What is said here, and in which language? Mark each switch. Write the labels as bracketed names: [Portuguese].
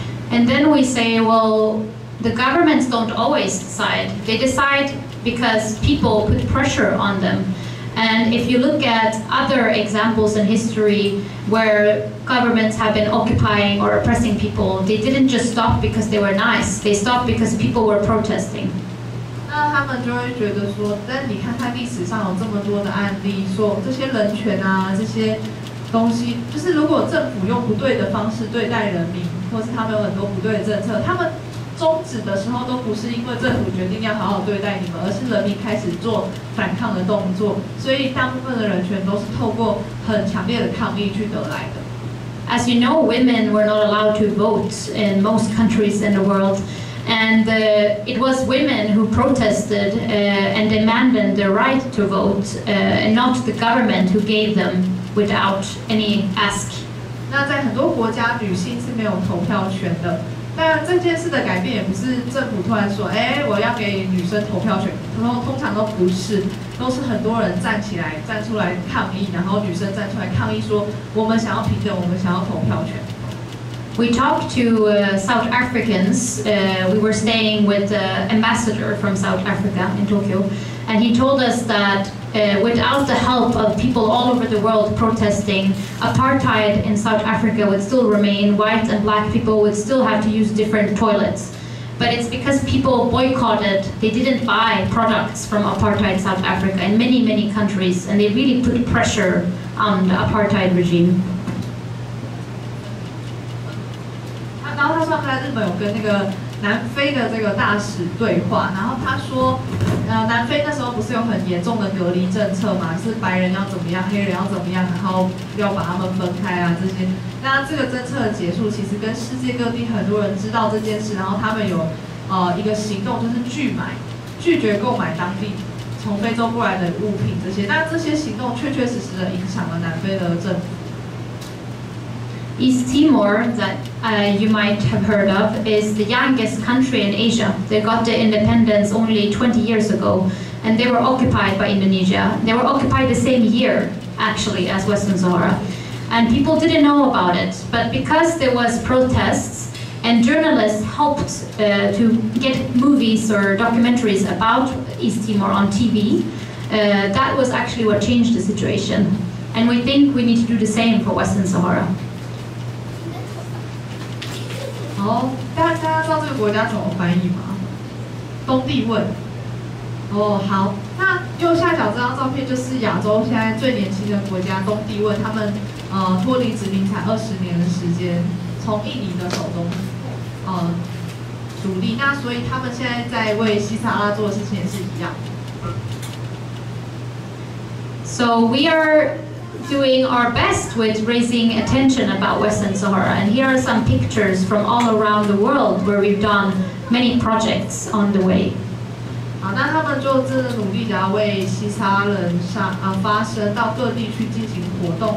[English] And then we say, well, the governments don't always decide. They decide because people put pressure on them. And if you look at other examples in history where governments have been occupying or oppressing people, they didn't just stop because they were nice. They stopped because people were protesting. [Chinese] 那他们就会觉得说，但你看看历史上有这么多的案例，说这些人权啊，这些东西，就是如果政府用不对的方式对待人民，或是他们有很多不对的政策，他们终止的时候都不是因为政府决定要好好对待你们，而是人民开始做反抗的动作，所以大部分的人权都是透过很强烈的抗议去得来的。 [English] As you know, women were not allowed to vote in most countries in the world, and it was women who protested and demanded the right to vote, and not the government who gave them without any ask. [Chinese] 那在很多国家，女性是没有投票权的。那这件事的改变也不是政府突然说，哎，我要给女生投票权，然后通常都不是，都是很多人站出来抗议，然后女生站出来抗议说，我们想要平等，我们想要投票权。 [English] We talked to South Africans. We were staying with the ambassador from South Africa in Tokyo, and he told us that without the help of people all over the world protesting, apartheid in South Africa would still remain. White and black people would still have to use different toilets. But it's because people boycotted, they didn't buy products from apartheid South Africa in many, many countries, and they really put pressure on the apartheid regime. [Chinese] 然后他说他在日本有跟那个南非的这个大使对话，然后他说，南非那时候不是有很严重的隔离政策嘛，是白人要怎么样，黑人要怎么样，然后要把他们分开啊这些。那这个政策的结束，其实跟世界各地很多人知道这件事，然后他们有一个行动，就是拒绝购买当地从非洲过来的物品这些。那这些行动确确实实的影响了南非的政府。 [English] East Timor, that you might have heard of, is the youngest country in Asia. They got their independence only 20 years ago, and they were occupied by Indonesia. They were occupied the same year, actually, as Western Sahara. And people didn't know about it, but because there was protests, and journalists helped to get movies or documentaries about East Timor on TV, that was actually what changed the situation. And we think we need to do the same for Western Sahara. [Chinese] 哦，大家知道这个国家怎么翻译吗？东帝汶。哦，好，那右下角这张照片就是亚洲现在最年轻的国家东帝汶，他们脱离殖民才二十年的时间，从印尼的手中独立。那所以他们现在在为西撒哈拉做的事情也是一样。 [English] So we are doing our best with raising attention about Western Sahara, and here are some pictures from all around the world where we've done many projects on the way. [Chinese] 好，那他们就真的努力的要为西撒哈拉人发声，到各地去进行活动。